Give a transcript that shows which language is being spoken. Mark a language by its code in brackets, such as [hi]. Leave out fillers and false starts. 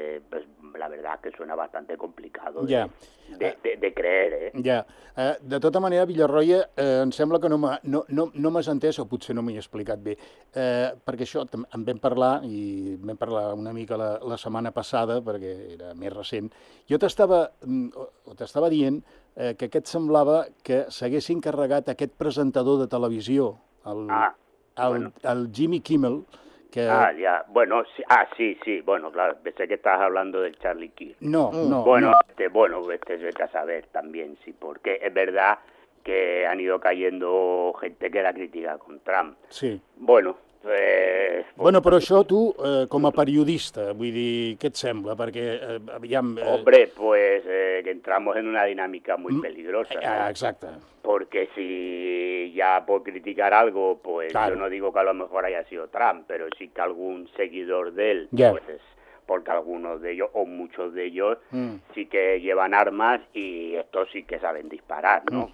[es] Pues la verdad que suena bastante complicado de creer, ¿eh? [ca] Ja. De tota manera, Villarroya, em sembla que no m'has entès, o potser no m'hi he explicat bé, perquè això en vam parlar, i vam parlar una mica la setmana passada, perquè era més recent. Jo t'estava dient que aquest semblava que s'haguessin carregat aquest presentador de televisió, el Jimmy Kimmel, que... [es] Ah, ya, bueno, sí. Ah, sí, bueno, claro, pensé que estabas hablando del Charlie Kirk. No. Bueno, vete a saber también, sí, porque es verdad que han ido cayendo gente que era crítica con Trump. Sí. Bueno, [ca] Bueno, però això tu, com a periodista, vull dir, què et sembla? Perquè, aviam... [es] Hombre, pues que entramos en una dinámica muy peligrosa. [ca] Ah, exacte. [es] Porque si ya por criticar algo, pues claro. Yo no digo que a lo mejor haya sido Trump, pero sí que algún seguidor de él, yeah. Pues es porque algunos de ellos, o muchos de ellos, sí que llevan armas y estos sí que saben disparar, ¿no?